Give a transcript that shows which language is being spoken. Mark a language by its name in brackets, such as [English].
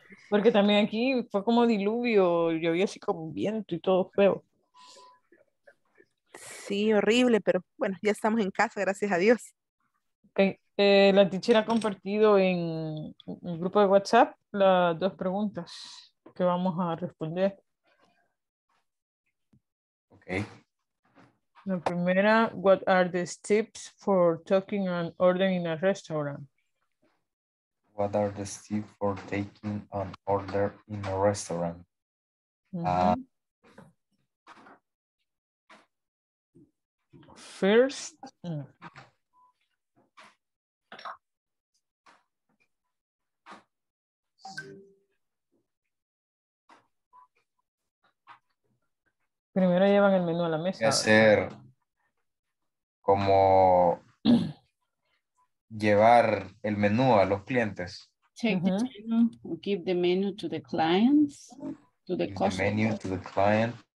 [Spanish] Porque también aquí fue como diluvio, llovió así con viento y todo feo. Sí, horrible, pero bueno, ya estamos en casa, gracias a Dios. [English] Okay. [Spanish] La teacher ha compartido en el grupo de WhatsApp las dos preguntas que vamos a responder. [English] Ok. [Spanish] La primera, [English] what are the steps for taking an order in a restaurant? What are the steps for taking an order in a restaurant? Mm-hmm. [Spanish] First, primero llevan el menú a la mesa. Hacer como llevar el menú a los clientes. [English] Check the menu, give the menu to the clients, to the customer. The menu to the client.